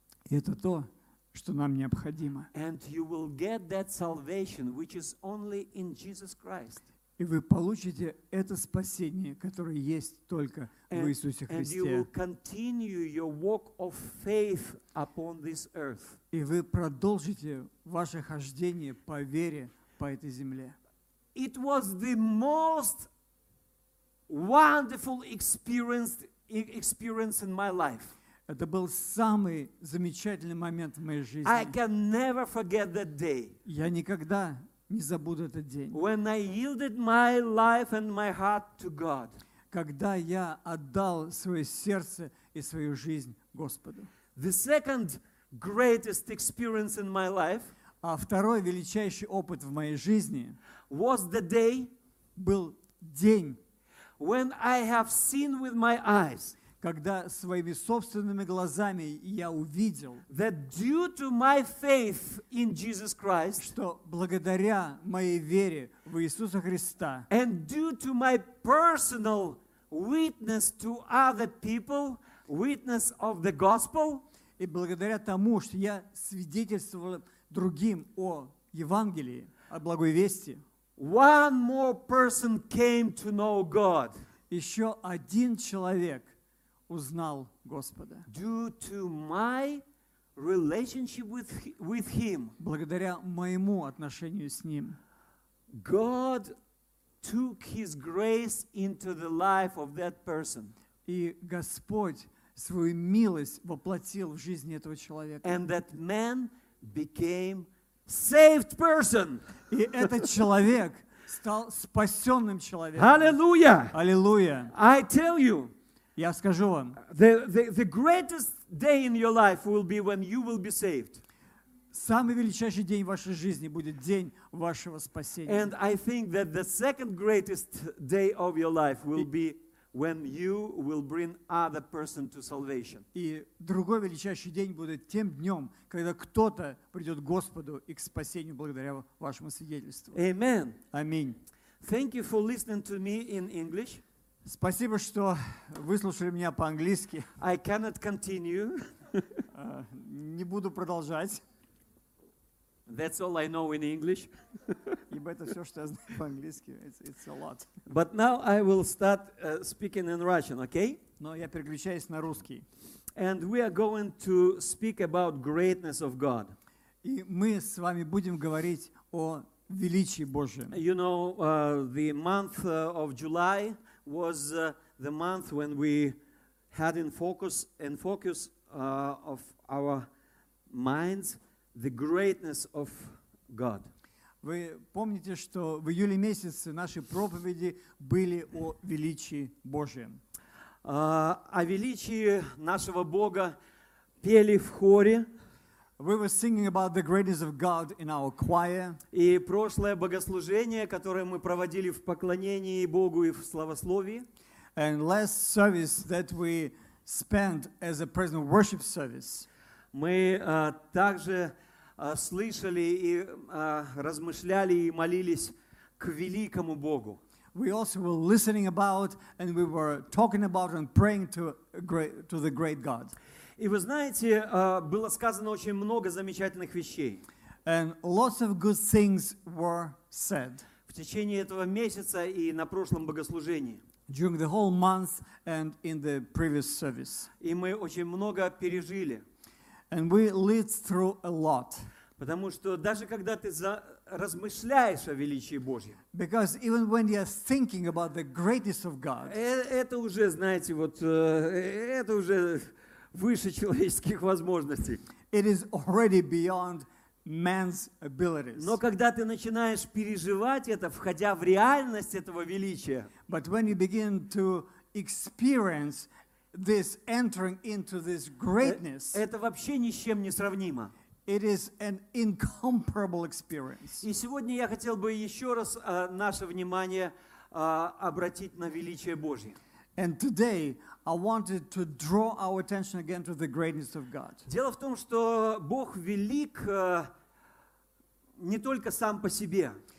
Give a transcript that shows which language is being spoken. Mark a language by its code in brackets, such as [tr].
[ru] И это то, что нам необходимо. [en] And you will get that salvation, which is only in Jesus Christ. [ru] И вы получите это спасение, которое есть только в Иисусе Христе. [en] And you will continue your walk of faith upon this earth. [ru] И вы продолжите ваше хождение по вере по этой земле. [en] It was the most wonderful experience in my life. [ru] Это был самый замечательный момент в моей жизни. [en] I can never forget that day. [ru] Я никогда не забуду этот день. [en] When I yielded my life and my heart to God. [ru] Когда я отдал свое сердце и свою жизнь Господу. [en] The second greatest experience in my life. [ru] А второй величайший опыт в моей жизни. [en] Was the day. [ru] Был день. [en] When I have seen with my eyes. [ru] Когда своими собственными глазами я увидел, [en] that due to my faith in Jesus Christ, [ru] что благодаря моей вере в Иисуса Христа, [en] and due to my personal witness to other people, witness of the gospel, [ru] и благодаря тому, что я свидетельствовал другим о Евангелии, о благой вести, [en] one more person came to know God. [ru] Еще один человек узнал Господа. [en] Due to my relationship with him, [ru] благодаря моему отношению с ним, [en] God took his grace into the life of that person. [ru] И Господь свою милость воплотил в жизни этого человека. [en] And that man became saved person. [ru] И этот человек стал спасенным человеком. [en] Hallelujah. Hallelujah. I tell you. [ru] Я скажу вам. [en] The greatest day in your life will be when you will be saved. [ru] Самый величайший день вашей жизни будет день вашего спасения. [en] And I think that the second greatest day of your life will be when you will bring other person to salvation. [ru] И другой величайший день будет тем днем, когда кто-то придет к Господу и к спасению благодаря вашему свидетельству. [en] Amen. [ru] Аминь. [en] Thank you for listening to me in English. [ru] Спасибо, что выслушали меня по-английски. [en] I cannot continue. [ru] Не буду продолжать. [en] That's all I know in English. [ru] Ибо это все, что я знаю по-английски. [en] It's a lot. But now I will start speaking in Russian, okay? [ru] Но я переключаюсь на русский. [en] And we are going to speak about greatness of God. [ru] И мы с вами будем говорить о величии Божьем. [en] You know, the month of July was the month when we had in focus of our minds the greatness of God. [ru] Вы помните, что в июле месяце наши проповеди были о величии Божьем. О величии нашего Бога пели в хоре. [en] We were singing about the greatness of God in our choir. [ru] И прошлое богослужение, которое мы проводили в поклонении Богу и в славословии. [en] And last service that we spent as a present worship service. [ru] Мы также слышали и размышляли и молились к великому Богу. [en] We also were listening about and we were talking about and praying to the great God. [ru] И вы знаете, было сказано очень много замечательных вещей. [en] And lots of good things were said. [ru] В течение этого месяца и на прошлом богослужении. [en] During the whole month and in the previous service. [ru] И мы очень много пережили. [en] And we lived through a lot. [ru] Потому что даже когда ты размышляешь о величии Божьем. [en] Because even when you're thinking about the greatness of God. [ru] Это уже, знаете, вот это уже выше человеческих возможностей. [en] It is already beyond man's abilities. [ru] Но когда ты начинаешь переживать это, входя в реальность этого величия, [en] but when you begin to experience this, entering into this greatness, [ru] это вообще ни с чем не сравнимо. [en] It is an incomparable experience. [ru] И сегодня я хотел бы еще раз наше внимание обратить на величие Божье. [en] And today I wanted to draw our attention again to the greatness of God. [ru] Дело в том, что Бог велик не только сам по себе.